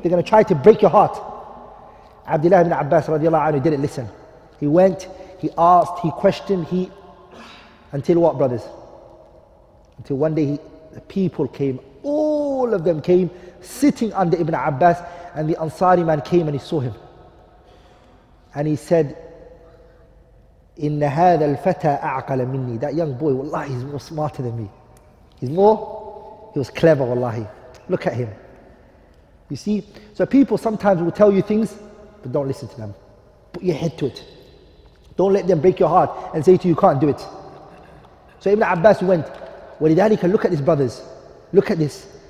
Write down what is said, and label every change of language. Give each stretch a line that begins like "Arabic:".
English: They're going to try to break your heart. Abdullah ibn Abbas radiallahu anhu didn't listen. He went, he asked, he questioned, he... Until what, brothers? Until one day the people came, all of them came, sitting under Ibn Abbas, and the Ansari man came and he saw him. And he said,
Arabic: إِنَّ هَذَا الْفَتَى أَعْقَلَ مِنِّي.
English: That young boy, wallahi, he's more smarter than me. He was clever, wallahi. Look at him. You see? So people sometimes will tell you things, but don't listen to them. Put your head to it. Don't let them break your heart and say to you, you can't do it. So Ibn Abbas went, وَلِذَلِكَ, look at this, brothers. Look at this.